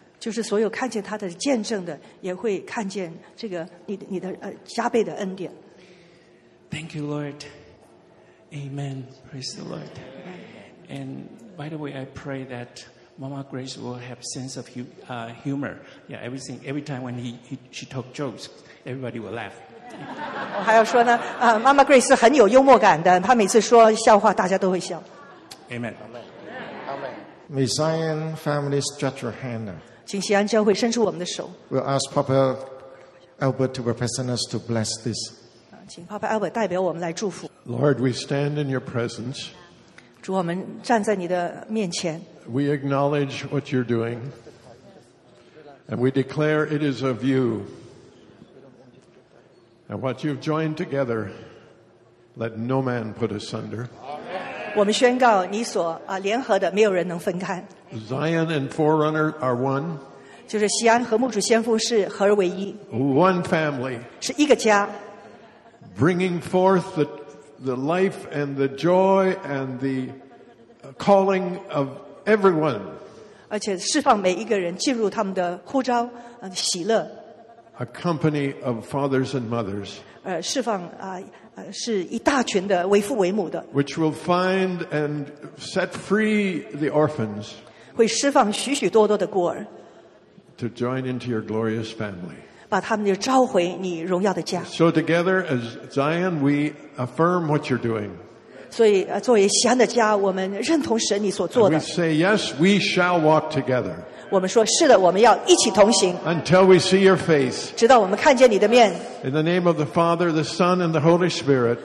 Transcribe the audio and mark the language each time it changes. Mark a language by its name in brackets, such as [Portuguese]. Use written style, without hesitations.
[Chinese] 就是所有看见他的见证的，也会看见这个你的加倍的恩典。 [English] Thank you, Lord. Amen. Praise the Lord. And by the way, I pray that Mama Grace will have sense of humor. Yeah, every time when she talk jokes, everybody will laugh. [Chinese] 我还要说呢，Mama Grace 很有幽默感的，她每次说笑话，大家都会笑。 [English] Amen. Amen. May Zion family stretch your hand. [Chinese] 请西安教会伸出我们的手。 [English] We'll ask Papa Albert to represent us to bless this. [Chinese] 请 Papa Albert 代表我们来祝福。 [English] Lord, we stand in your presence. [Chinese] 主，我们站在你的面前。 [English] We acknowledge what you're doing, and we declare it is of you. And what you've joined together, let no man put asunder. [Chinese] 我们宣告你所联合的，没有人能分开。 [English] Zion and Forerunner are one. [Chinese] 就是西安和牧主先锋是合而为一。 [English] One family. [Chinese] 是一个家。 [English] Bringing forth the life and the joy and the calling of everyone. [Chinese] 而且释放每一个人进入他们的呼召，喜乐。 [English] A company of fathers and mothers. [Chinese] 释放是一大群的为父为母的。 [English] Which will find and set free the orphans. [Chinese] 会释放许许多多的孤儿。 [English] To join into your glorious family. [Chinese] 把他们就召回你荣耀的家。 [English] So together as Zion, we affirm what you're doing. [Chinese] 所以作为西安的家，我们认同神你所做的。 [English] We say yes, we shall walk together. [Chinese] 我们说是的，我们要一起同行。 [English] Until we see your face. [Chinese] 直到我们看见你的面。 [English] In the name of the Father, the Son, and the Holy Spirit.